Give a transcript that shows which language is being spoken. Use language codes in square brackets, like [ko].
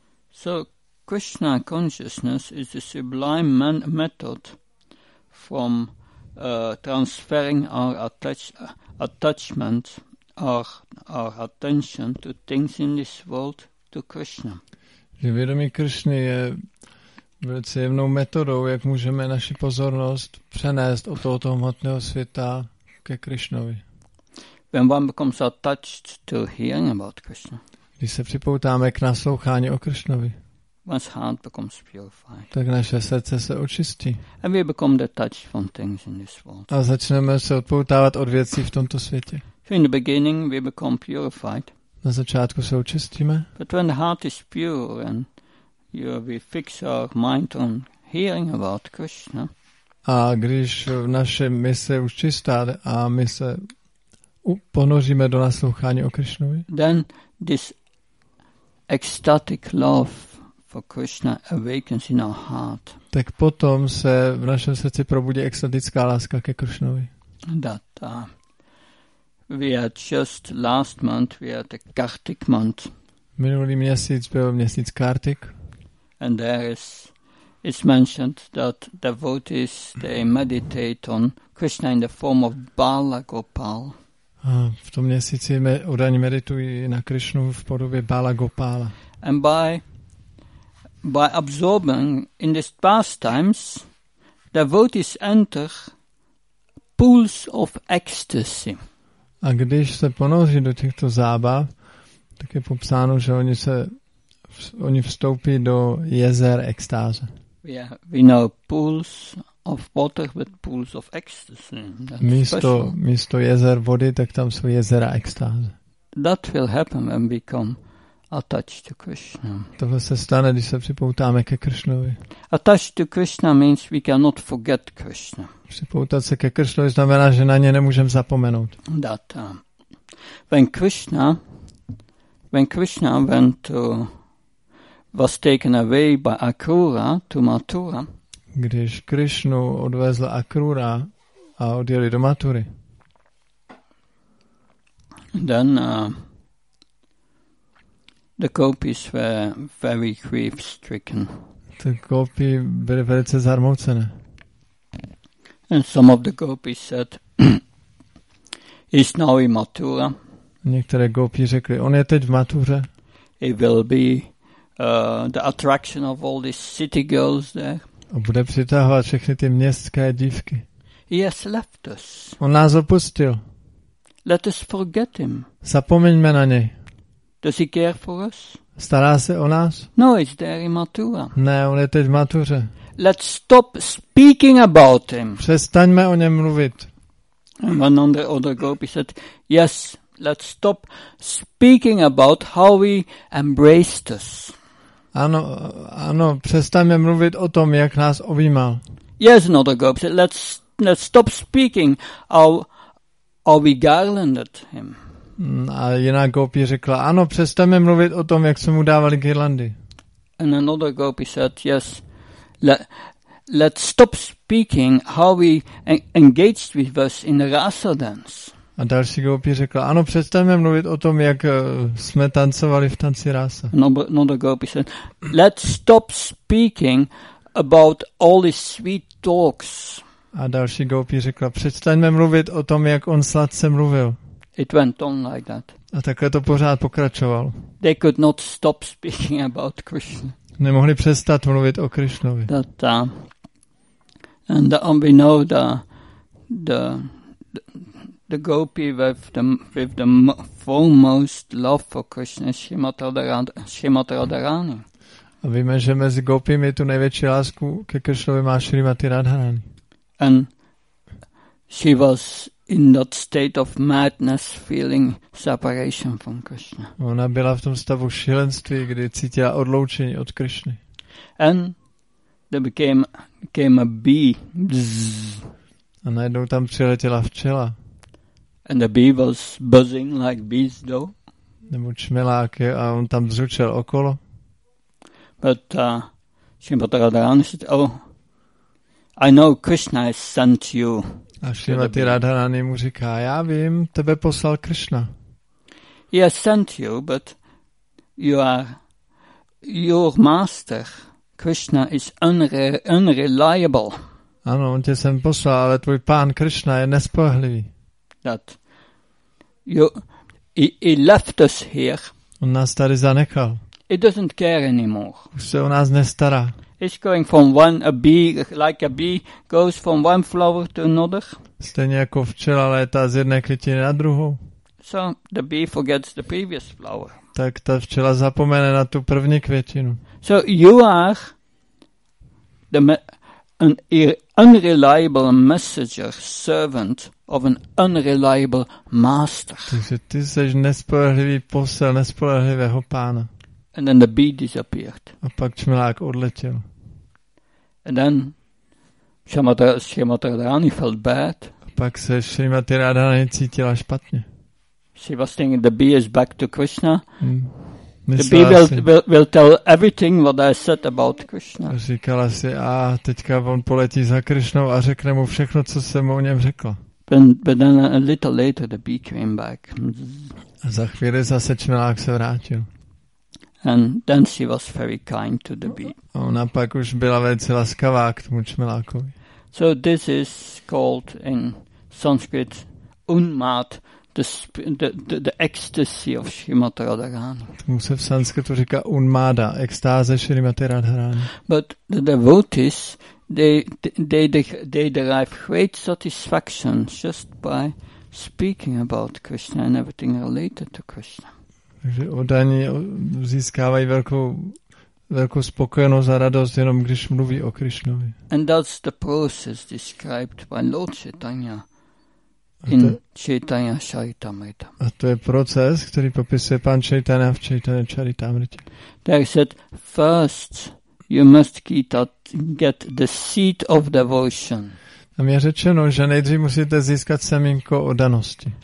[en] So, Krishna consciousness is the sublime method from transferring our attachment, our attention to things in this world to Krishna. [cs] Že vědomí Krishny je velice jemnou metodou, jak můžeme naši pozornost přenést od tohoto hmotného světa ke Krishnovi. [en] When one becomes attached to hearing about Krishna. [cs] Když se připoutáme k naslouchání o Krishnovi. [en] One's heart becomes purified. [cs] Tak naše srdce se očistí. [en] And we become detached from things in this world. [cs] A začneme se odpoutávat od věcí v tomto světě. [en] So in the beginning we become purified. [cs] Na začátku se očistíme. [en] But when the heart is pure and we fix our mind on hearing about Krishna. [cs] A když naše mysl je už čistá a my se ponoříme do naslouchání o Krishnovi. [en] Then this ecstatic love for Krishna awakens in our heart. [cs] Tak potom se v našem srdci probudí extatická láska ke Krishnovi. [en] That we are just last month, we are the Kartik month. [cs] Minulý měsíc byl měsíc Kartik. [en] And there is it's mentioned that devotees they meditate on Krishna in the form of Bala Gopal. [cs] A v tom měsíci oddaní meditují na Krishnu v podobě Bala Gopala. [en] And by absorbing in these pastimes, devotees enter pools of ecstasy. [cs] A když se ponoří do těchto zábav, tak je popsáno, že oni vstoupí do jezer extáze. [en] Yeah, we know pools of water, but pools of ecstasy. [cs] Místo jezer vody, tak tam jsou jezera extáze. [en] That will happen when we come attached to Krishna. [cs] Tohle se stane, když se připoutáme ke Krishnovi. [en] Attached to Krishna means we cannot forget Krishna. [cs] Připoutat se ke Krishnovi znamená, že na ně nemůžeme zapomenout. [en] That when Krishna When Krishna went to, was taken away by Akrura to Mathura, [cs] když Krishnu odvezla Akrura a odjeli do Mathury, [en] then the gopis were very grief stricken. [cs] Ty gopi byly velice zarmoucené. [en] And some of the gopis said, "He's now in Mathura." [cs] Některé gopi řekli, on je teď v Mathuře. [en] He will be the attraction of all these city girls there. [cs] A bude přitahovat všechny ty městské dívky. [en] He has left us. [cs] On nás opustil. [en] Let us forget him. [cs] Zapomeňme na něj. [en] Does he care for us? [cs] Stará se o nás? [en] No, he's there in Mathura. [cs] Ne, on je teď v Mathuře. [en] Let's stop speaking about him. [cs] Přestaňme o něm mluvit. [en] And one on the other gopi said, yes, let's stop speaking about how he embraced us. [cs] Ano, ano, přestaňme mluvit o tom, jak nás objímal. [en] Yes, another gopi said, let's stop speaking how we garlanded him. [cs] A jiná gopi řekla, ano, přestaňme mluvit o tom, jak jsme mu dávali girlandy. [en] And another gopi said, yes, let's stop speaking how we engaged with us in the rasa dance. [cs] A další gopi řekla, ano, přestaňme mluvit o tom, jak jsme tancovali v tanci rasa. [en] Another gopi said, let's stop speaking about all these sweet talks. [cs] A další gopi řekla, přestaňme mluvit o tom, jak on sladce mluvil. [en] It went on like that. [cs] A takhle to pořád pokračovalo. [en] They could not stop speaking about Krishna. [cs] Nemohli přestat mluvit o Krishnovi. [en] That, and we know the gopi with the foremost love for Krishna, Srimati Radharani. [cs] A víme, že mezi gopimi tu největší lásku ke Krishnovi má Srimati Radharani. [en] And she was in that state of madness, feeling separation from Krishna. [cs] Ona byla v tom stavu šílenství, kdy cítila odloučení od Krishny. [en] And there became a bee. Bzz. [cs] A najednou tam přiletěla včela. [en] And the bee was buzzing like bees do. [cs] Nebo čmeláky a on tam zručel okolo. [en] But Srimati Radharani said, oh, I know Krishna has sent you. [cs] A Srimati Radharani mu říká, já vím, tebe poslal Krishna. [en] He has sent you, but you are your master. Krishna is unreliable. [cs] Ano, on tě sem poslal, ale tvůj pán Krishna je nespolehlivý. [en] That he left us here. [cs] On nás tady zanechal. [en] He doesn't care anymore. [cs] Už se o nás nestará. [en] He's going from one a bee like a bee goes from one flower to another. [cs] Stejně jako včela létá z jedné květiny na druhou. [en] So the bee forgets the previous flower. [cs] Tak ta včela zapomene na tu první květinu. [en] So you are an unreliable messenger servant of an unreliable master. [cs] Takže ty jsi nespolehlivý posel nespolehlivého pána. [en] And then the bee disappeared. [cs] A pak čmelák odletěl. [en] And then Srimati Radharani felt bad. [cs] A pak se Srimati Radharani cítila špatně. [en] She was thinking the bee is back to Krishna. [cs] Myslela [en] the bee will tell everything what I said about Krishna. [cs] Říkala si, a teďka on poletí za Krishnou a řekne mu všechno, co jsem o něm řekla. [en] But then a little later the bee came back. [cs] A za chvíli zase čmelák se vrátil. [en] And then she was very kind to the bee. [cs] A ona pak už byla velice laskavá k tomu čmelákovi. [en] So this is called in Sanskrit unmat, the ecstasy of Srimati Radharani. [cs] Tomu se v sanskritu říká unmada, extáze Srimati Radharani. [en] But the devotees they derive great satisfaction just by speaking about Krishna and everything related to Krishna. [cs] Takže oddaní získávají velkou spokojenost a radost jenom když mluví o Krishnovi. [en] And that's the process described by Lord Chaitanya in Chaitanya Charitamrita. [cs] A to je proces, který popisuje pan Chaitanya v Chaitanya Charitamrita. [en] They said, first you must get the seed of devotion. [cs] Tam je řečeno, že nejdřív musíte získat semínko oddanosti.